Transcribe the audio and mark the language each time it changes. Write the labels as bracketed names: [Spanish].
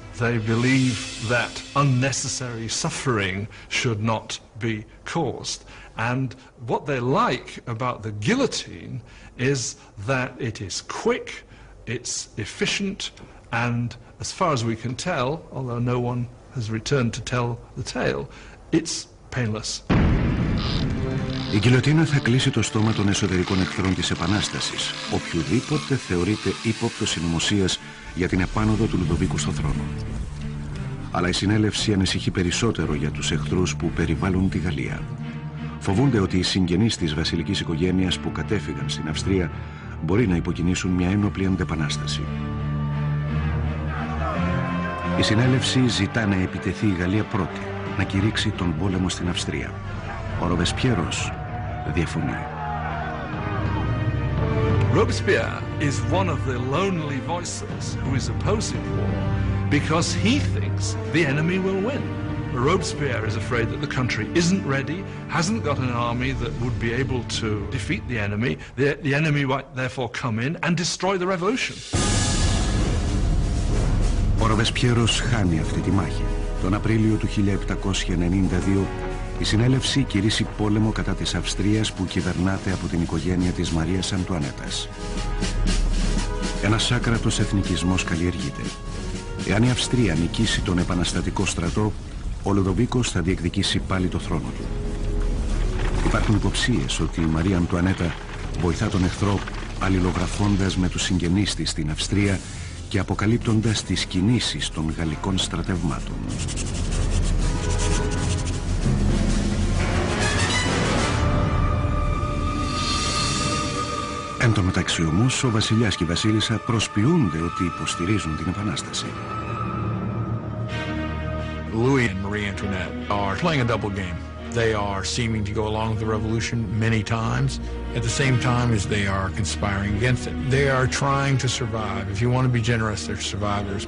[English] They believe that unnecessary suffering should not be caused. And what they like about the guillotine is that it is quick, it's efficient, and as far as we can tell, although no one has returned to tell the tale, it's painless. [Greek] Η γκιλοτίνα θα κλείσει το στόμα των εσωτερικών εχθρών της Επανάστασης, οποιοδήποτε θεωρείται ύποπτο συνωμοσίας για την επάνωδο του Λουδοβίκου στο θρόνο. Αλλά η συνέλευση ανησυχεί περισσότερο για τους εχθρούς που περιβάλλουν τη Γαλλία. Φοβούνται ότι οι συγγενείς της βασιλικής οικογένειας που κατέφυγαν στην Αυστρία μπορεί να υποκινήσουν μια ένοπλη αντεπανάσταση. Η συνέλευση ζητά να επιτεθεί η Γαλλία πρώτη, να κηρύξει τον πόλεμο στην Αυστρία. Ο Ρομπεσπιέρος διαφωνεί. [English] Robespierre is one of the lonely voices who is opposing war because he thinks the enemy will win. Robespierre is afraid that the country isn't ready, hasn't got an army that would be able to defeat the enemy. The enemy might therefore come in and destroy the revolution. [Greek] Ο Ρομπεσπιέρος χάνει αυτή τη μάχη. Τον Απρίλιο του 1792 η συνέλευση κηρύσσει πόλεμο κατά της Αυστρίας που κυβερνάται από την οικογένεια της Μαρίας Αντουανέτας. Ένας άκρατος εθνικισμός καλλιεργείται. Εάν η Αυστρία νικήσει τον επαναστατικό στρατό, ο Λουδοβίκος θα διεκδικήσει πάλι το θρόνο του. Υπάρχουν υποψίες ότι η Μαρία Αντουανέτα βοηθά τον εχθρό αλληλογραφώντας με τους συγγενείς της στην Αυστρία και αποκαλύπτοντας τις κινήσεις των γαλλικών στρατευμάτων. Εν τω μεταξύ όμως, ο βασιλιάς και η βασίλισσα προσποιούνται ότι υποστηρίζουν την επανάσταση. [English] Louis and Marie Antoinette are playing a double game. They are seeming to go along with the revolution many times, at the same time as they are conspiring against it. They are trying to survive. If you want to be generous, they're survivors.